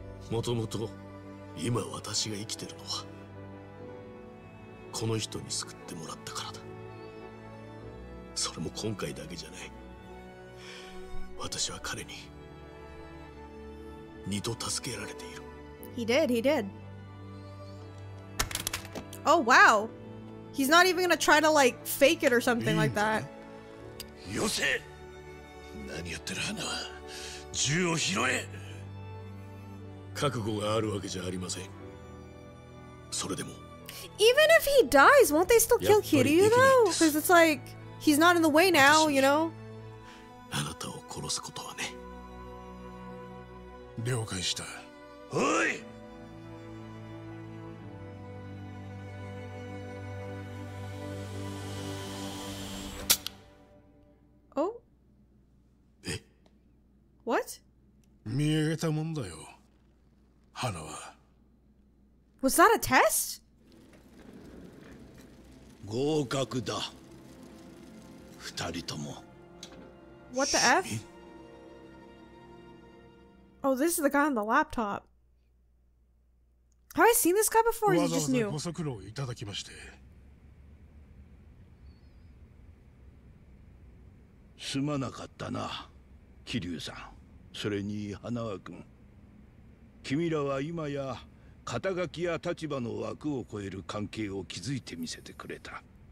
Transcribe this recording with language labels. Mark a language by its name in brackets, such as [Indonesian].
[Japanese] もともと、今私が生きてるのは、この人に救ってもらったからだ。それも今回だけじゃない。私は彼に二度助けられている。 [English] He did. Oh wow, he's not even gonna try to like fake it or something like that. [Japanese] よせ、何やってる花は。銃を拾え。覚悟があるわけじゃありません。それでも。 [English] Even if he dies, won't they still kill Kiryu though? Because it's like he's not in the way now, you know. [Japanese] あなたを殺すことはね。了解した。おい。お。え。 [English] What? [Japanese] 見上げたもんだよ。花は。 [English] Was that a test? [Japanese] 合格だ。二人とも。 [English] What the F? Oh, this is the guy on the laptop. Have I seen this guy before? Or is he just new? [Japanese] わざわざご足労いただきまして。すまなかったな、キリュウさん。それに花輪君。君らは今や肩書きや立場の枠を超える関係を築いてみせてくれた。